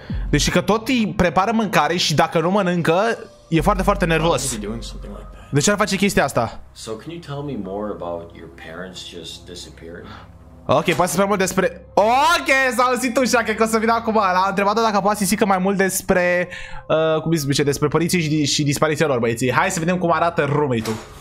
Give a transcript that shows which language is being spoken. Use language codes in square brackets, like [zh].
[ro] Deci că tot îi prepară mâncare și dacă nu mănâncă, e foarte, foarte nervos. De ce ar face chestia asta? [en] So can you tell me more about your parents just disappearing? [ro] Ok, poate să spun mult despre... Ok, s-a auzit ușa, cred că o să vină acum. L-a întrebat dacă poate să zică mai mult despre... cum îi zice, despre părinții și dispariția lor, băieții. Hai să vedem cum arată roommate-ul.